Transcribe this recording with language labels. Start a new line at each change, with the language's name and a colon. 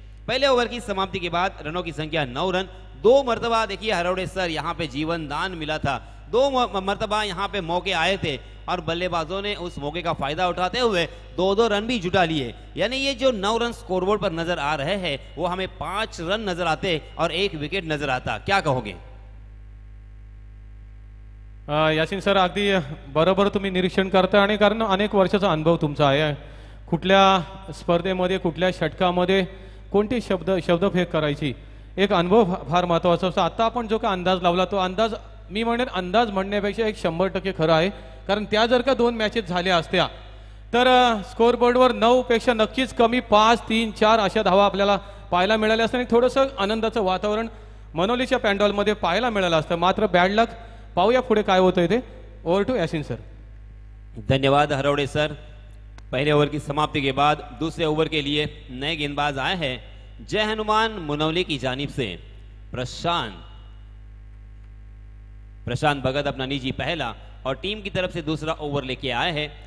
Hindi: पहले ओवर की समाप्ति के बाद रनों की संख्या 9 रन। 2 मरतबा देखिए हरौड़े सर यहां पे जीवन दान मिला था, 2 मरतबा यहां पे मौके आए थे और बल्लेबाजों ने उस मौके का फायदा उठाते हुए 2-2 रन भी जुटा लिए। यानी ये जो 9 रन स्कोरबोर्ड पर नजर आ रहे हैं वो हमें 5 रन नजर आते और 1 विकेट नजर आता, क्या कहोगे?
Marathi: यासीन सर अगदी बरोबर तुम्ही निरीक्षण करता आणि कारण अनेक वर्षाचा अनुभव तुमचा आहे, कुठल्या स्पर्धेमध्ये कुठल्या षटकामध्ये कोणते शब्द फेक करायची एक अनुभव फार महत्त्वाचा असतो। आता आपण जो काही अंदाज लावला तो अंदाज मी म्हणेन अंदाज म्हणण्यापेक्षा 100% खरा आहे, कारण त्या जर का 2 मॅचेस झाल्या असत्या तर स्कोरबोर्डवर 9 पेक्षा नक्कीच कमी 5-3-4 अशा धावा आपल्याला पाहायला मिळाल्या असत्या आणि थोडंसं आनंदाचं वातावरण मनोलीच्या पॅन्डॉलमध्ये पाहायला मिळालं असतं, मात्र बॅड लक। पाहूया पुढे काय होतंय ते। Over to Yasin sir. धन्यवाद हरवडे सर।
Hindi: पहिले ओवर की समाप्ती के बाद दुसरे ओवर के लिए नए गेंदबाज आए हैं जय हनुमान मुनौली की जानिब से, प्रशांत भगत अपना निजी पहला और टीम की तरफ से दूसरा ओवर लेके आए हैं।